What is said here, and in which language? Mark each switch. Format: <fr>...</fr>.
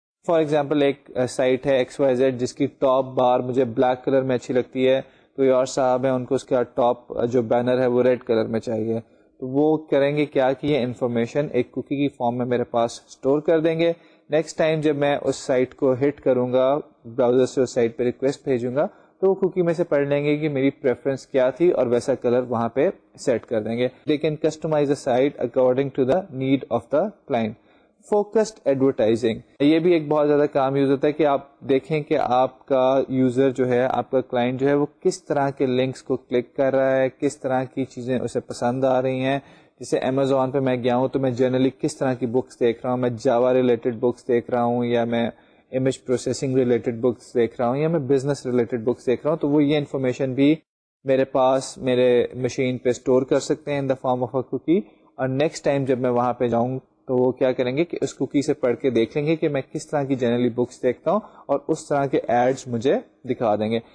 <en>for example</en> <ur>ایک site ہے x Y Z جس کی ٹاپ بار مجھے بلیک کلر میں اچھی لگتی ہے, کوئی اور صاحب ہیں ان کو اس کا ٹاپ جو بینر ہے وہ ریڈ کلر میں چاہیے, تو وہ کریں گے کیا کہ یہ انفارمیشن ایک کوکی کی فارم میں میرے پاس سٹور کر دیں گے. نیکسٹ ٹائم جب میں اس سائٹ کو ہٹ کروں گا براؤزر سے اس سائٹ پہ ریکویسٹ بھیجوں گا تو وہ کوکی میں سے پڑھ لیں گے کہ میری پریفرنس کیا تھی اور ویسا کلر وہاں پہ سیٹ کر دیں گے.</ur> <en>They can customize the site according to the need of the client.</en> <ur>Focused advertising, یہ بھی ایک بہت زیادہ کام یوز ہوتا ہے کہ آپ دیکھیں کہ آپ کا یوزر جو ہے آپ کا کلائنٹ جو ہے وہ کس طرح کے لنکس کو کلک کر رہا ہے, کس طرح کی چیزیں اسے پسند آ رہی ہیں, جیسے امیزون پہ میں گیا ہوں تو میں جنرلی کس طرح کی بکس دیکھ رہا ہوں, میں جاوا ریلیٹڈ بکس دیکھ رہا ہوں یا میں امیج پروسیسنگ ریلیٹڈ بکس دیکھ رہا ہوں یا میں بزنس ریلیٹڈ بکس دیکھ رہا ہوں, تو وہ یہ انفارمیشن بھی میرے پاس میرے مشین پہ اسٹور کر سکتے ہیں</ur> <en>in the form of a cookie,</en> <ur>اور نیکسٹ ٹائم جب میں وہاں پہ جاؤں تو وہ کیا کریں گے کہ اس کوکی سے پڑھ کے دیکھ لیں گے کہ میں کس طرح کی جنرلی بکس دیکھتا ہوں اور اس طرح کے ایڈز مجھے دکھا دیں گے.</ur>